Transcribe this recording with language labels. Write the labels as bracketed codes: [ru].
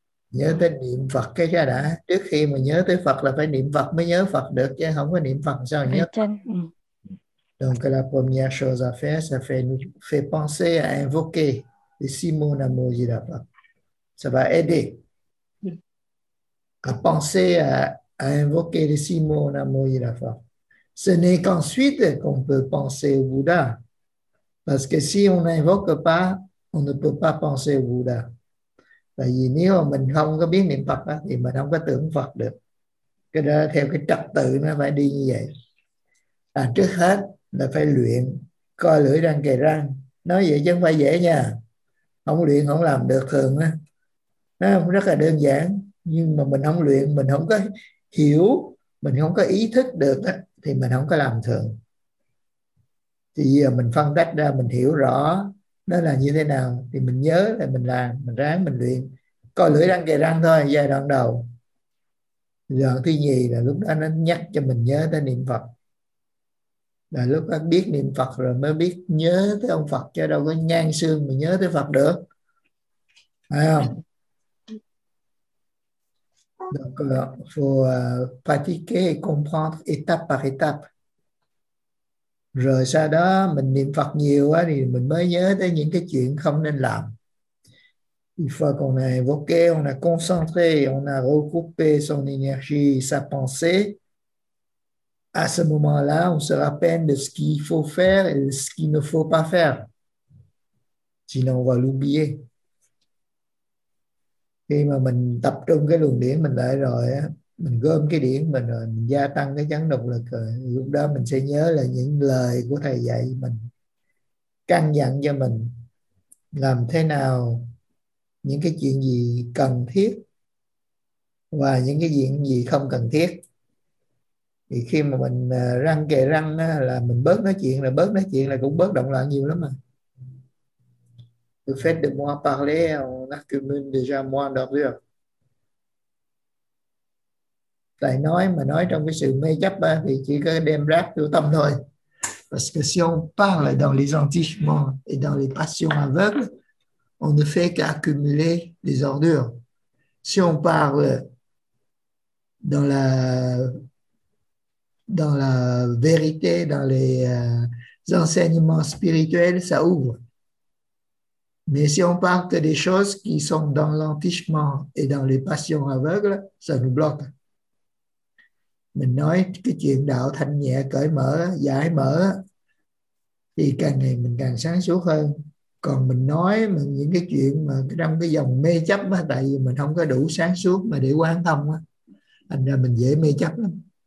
[vi] Nhớ tới niệm Phật cái ra đã. Trước khi mà nhớ tới Phật là phải niệm Phật mới nhớ Phật được, chứ không có niệm Phật sao nhớ. [fr] Donc la première chose à faire, ça fait nous fait penser à invoquer les six mots Namo Amida Butsu. Ça va aider à penser à invoquer les six mots Namo Amida Butsu. Ce n'est qu'ensuite qu'on peut penser au Bouddha. Parce que si on n'invoque pas, on ne peut pas penser au Bouddha. [vi] Tại vì nếu mà mình không có biết niệm Phật thì mình không có tưởng Phật được. Cái đó theo cái trật tự nó phải đi như vậy. À, trước hết là phải luyện co lưỡi răng kề răng. Nói vậy chứ không phải dễ nha. Không luyện không làm được thường á. Nó cũng rất là đơn giản. Nhưng mà mình không luyện, mình không có hiểu, mình không có ý thức được á, thì mình không có làm thường. Thì giờ mình phân tách ra, mình hiểu rõ nó là như thế nào, thì mình nhớ là mình làm, mình ráng, mình luyện co lưỡi răng kề răng thôi, giai đoạn đầu. Giai đoạn thứ nhì là lúc đó nó nhắc cho mình nhớ tới niệm Phật. Là lúc đó biết niệm Phật rồi mới biết nhớ tới ông Phật, chứ đâu có nhan xương mà nhớ tới Phật được. Phải không? [fr] Donc, il faut pratiquer et comprendre étape par étape. [vi] Rồi sau đó mình niệm Phật nhiều quá thì mình mới nhớ tới những cái chuyện không nên làm. [fr] Une fois qu'on a évoqué, on a concentré, on a recoupé son énergie, sa pensée, à ce moment-là, on se rappelle de ce qu'il faut faire et de ce qu'il ne faut pas faire. Sinon, on va l'oublier. [vi] Khi mà mình tập trung cái luồng điển mình lại rồi á, mình gom cái điển mình rồi, mình gia tăng cái chấn động lực rồi, lúc đó mình sẽ nhớ là những lời của thầy dạy mình, căn dặn cho mình làm thế nào, những cái chuyện gì cần thiết và những cái chuyện gì không cần thiết. Thì khi mà mình răng kề răng á, là mình bớt nói chuyện, là bớt nói chuyện là cũng bớt động loạn nhiều lắm mà. [fr] Le fait de moins parler, on accumule déjà moins d'ordures. [vi] Tại nói mà nói trong cái sự mê chấp thì chỉ có đem rác vô tâm thôi. [fr] Parce que si on parle dans les sentiments et dans les passions aveugles, on ne fait qu'accumuler des ordures. Si on parle dans la vérité, dans les enseignements spirituels, ça ouvre. Mais si on parle que des choses qui sont dans l'entichement et dans les passions aveugles, ça nous bloque. [vi] Mình nói cái chuyện đạo thanh nhẹ, cởi mở, giải mở, thì càng ngày mình càng sáng suốt hơn. Còn mình nói mà những cái chuyện mà trong cái dòng mê chấp á, tại vì mình không có đủ sáng suốt mà để quán thông á, thành ra mình dễ mê chấp lắm.